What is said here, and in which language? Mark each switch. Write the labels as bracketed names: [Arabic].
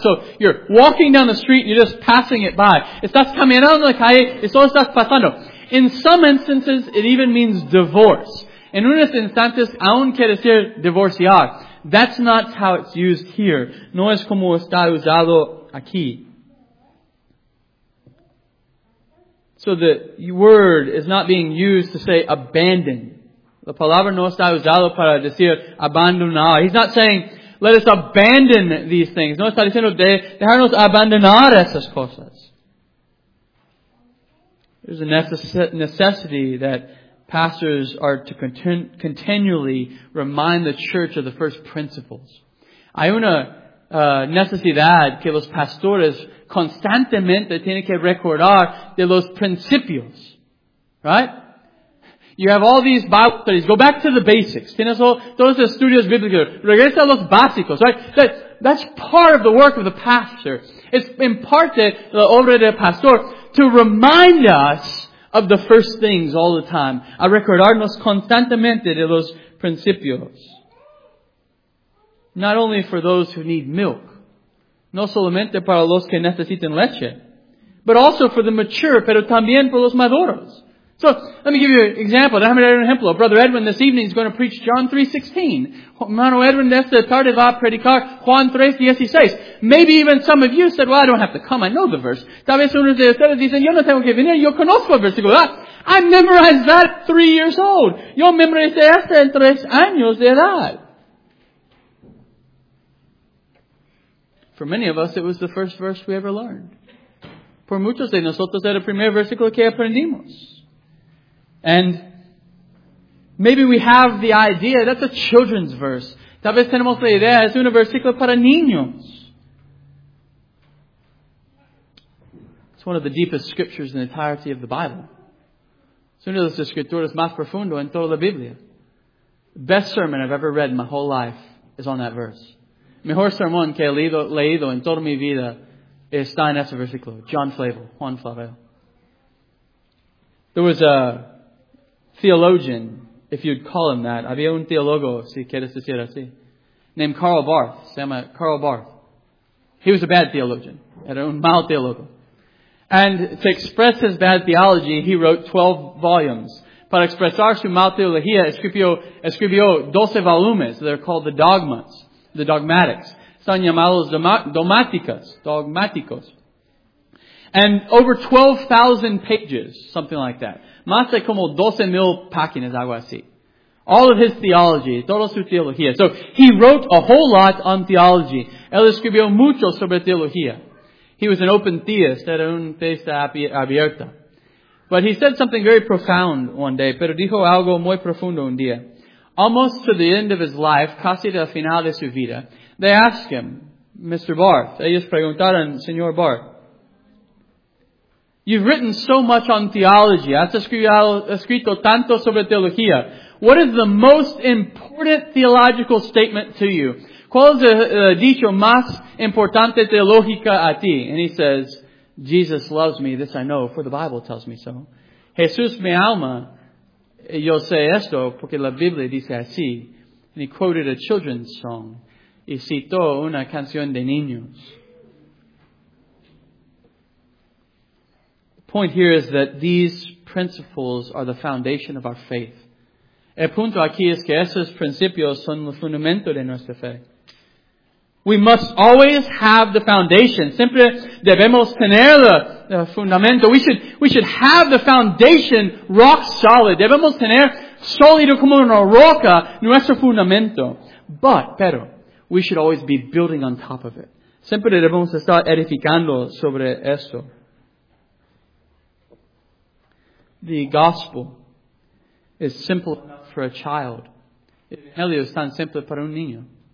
[English] So, you're walking down the street and you're just passing it by. [Spanish] Estás caminando en la calle y solo estás pasando. [English] In some instances, it even means divorce. [Spanish] En unos instantes, aún quiere decir divorciar. [English] That's not how it's used here. [Spanish] No es como está usado aquí. [English] So, the word is not being used to say abandon. [Spanish] La palabra no está usado para decir abandonar. [English] He's not saying, let us abandon these things. [Spanish] No está diciendo dejarnos abandonar esas cosas. [English] There's a necessity that pastors are to continually remind the church of the first principles. [Spanish] Hay una necesidad que los pastores constantemente tienen que recordar de los principios. [English] Right? You have all these Bible studies. Go back to the basics. [Spanish] Tienes todos los estudios bíblicos. Regresa a los básicos, [English] right? That's part of the work of the pastor. It's in part the [Spanish] obra del pastor [English] to remind us of the first things all the time. [Spanish] A recordarnos constantemente de los principios. [English] Not only for those who need milk. [Spanish] No solamente para los que necesitan leche. [English] But also for the mature, [Spanish] pero también para los maduros. [English] So let me give you an example. [Spanish] Déjame dar un ejemplo. [English] Brother Edwin this evening is going to preach John 3:16. [Spanish] Hermano Edwin esta tarde va a predicar Juan 3:16. [English] Maybe even some of you said, well, I don't have to come. I know the verse. [Spanish] Tal vez unos de ustedes dicen, yo no tengo que venir. Yo conozco el versículo. [English] Ah, I memorized that 3 years old. [Spanish] Yo memoricé esta en 3 años de edad. [English] For many of us, it was the first verse we ever learned. [Spanish] Por muchos de nosotros, era el primer versículo que aprendimos. [English] And maybe we have the idea, that's a children's verse. [Spanish] Tal vez tenemos la idea, es un versículo para niños. [English] It's one of the deepest scriptures in the entirety of the Bible. [Spanish] Es una de las escrituras más profundas en toda la Biblia. [English] The best sermon I've ever read in my whole life is on that verse. [Spanish] Mejor sermón que he leído en toda mi vida está en ese versículo. [English] John Flavel, Juan Flavel. There was a theologian, if you'd call him that. Había un teólogo, si quieres decir así. Named Karl Barth. [Spanish] Se llama Karl Barth. [English] He was a bad theologian. [Spanish] Era un mal teólogo. [English] And to express his bad theology, he wrote 12 volumes. [Spanish] Para expresar su mal teología, escribió 12 volumes. [English] They're called the dogmas. The dogmatics. [Spanish] Son llamados dogmáticos. Dogmáticos. [English] And over 12,000 pages, something like that. [Spanish] Más de como 12,000 páginas, algo así. [English] All of his theology, [Spanish] toda su teología. [English] So, he wrote a whole lot on theology. [Spanish] Él escribió mucho sobre teología. [English] He was an open theist, [Spanish] era un teista abierto. [English] But he said something very profound one day, [Spanish] pero dijo algo muy profundo un día. [English] Almost to the end of his life, [Spanish] casi al final de su vida, [English] they asked him, Mr. Barth, [Spanish] ellos preguntaron, Señor Barth, [English] you've written so much on theology. [Spanish] Has escrito tanto sobre teología. [English] What is the most important theological statement to you? [Spanish] ¿Cuál es el dicho más importante teológico a ti? [English] And he says, Jesus loves me, this I know, for the Bible tells me so. [Spanish] Jesús me ama, yo sé esto, porque la Biblia dice así. [English] And he quoted a children's song. [Spanish] Y citó una canción de niños. [English] The point here is that these principles are the foundation of our faith. [Spanish] El punto aquí es que esos principios son el fundamento de nuestra fe. [English] We must always have the foundation. [Spanish] Siempre debemos tener el fundamento. [English] We should have the foundation rock solid. [Spanish] Debemos tener sólido como una roca nuestro fundamento. [English] Pero, we should always be building on top of it. [Spanish] Siempre debemos estar edificando sobre esto. [English] The gospel is simple enough for a child. [Spanish] Evangelio es tan simple para un niño.